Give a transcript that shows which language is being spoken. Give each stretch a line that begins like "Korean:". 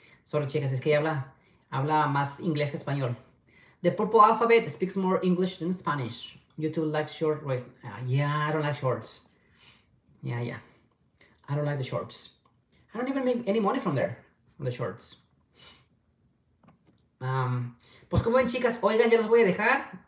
Spanish: Sorry, chicas, es que habla más inglés que español.
English: The purple alphabet speaks more English than Spanish. YouTube likes short ways. Yeah, I don't like shorts. Yeah. I don't like the shorts. I don't even make any money from there, from the shorts.
Spanish: Pues como ven, chicas, oigan, ya las voy a dejar.